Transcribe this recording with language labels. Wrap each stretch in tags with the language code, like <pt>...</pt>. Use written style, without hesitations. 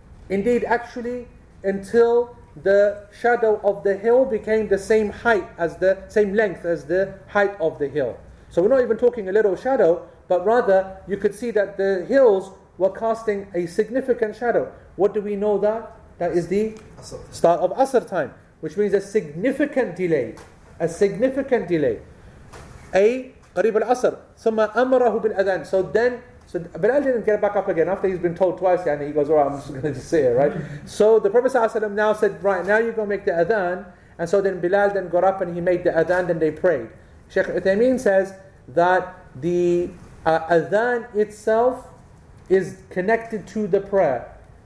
<en>Indeed, actually, until the shadow of the hill became the same height as the same length as the height of the hill. So we're not even talking a little shadow, but rather you could see that the hills were casting a significant shadow. What do we know that? That is the start of Asr time, which means a significant delay. A significant delay.</en> <ar>A قريب الأصر ثم أمره بالأذان.</ar> <en>So then, so Bilal didn't get back up again after he's been told twice, and he goes, all right, I'm just going to say it, right? So the Prophet ﷺ now said, right, now you're going to make the adhan. And so then Bilal then got up and he made the adhan, then they prayed. Sheikh Uthaymeen says that the adhan itself is connected to the prayer.</en>